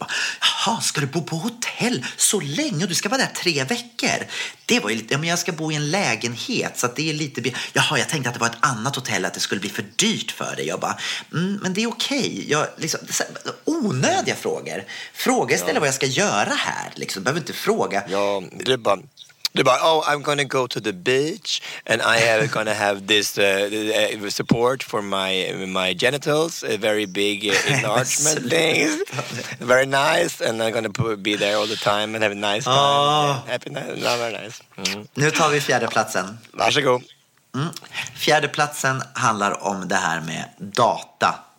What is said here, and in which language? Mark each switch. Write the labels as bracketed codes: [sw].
[sv] Jag bara, jaha, ska du bo på hotell så länge? Du ska vara där 3 veckor. Det var ju lite, ja, men jag ska bo i en lägenhet. Så att det är lite, jaha, jag tänkte att det var ett annat hotell, att det skulle bli för dyrt för dig. Jag bara, men det är okej. Jag, liksom, så här, onödiga frågor. Fråga istället vad jag ska göra här. Liksom, behöver inte fråga. Ja, det är bara... Du bara, [en] oh, I'm gonna go to the beach and I am gonna have this support for my genitals, a very big enlargement thing, very nice, and I'm gonna be there all the time and have a nice time. Happy night, not very nice. Mm. [sv] Nu tar vi fjärde platsen. Varsågod. Fjärde platsen handlar om det här med data.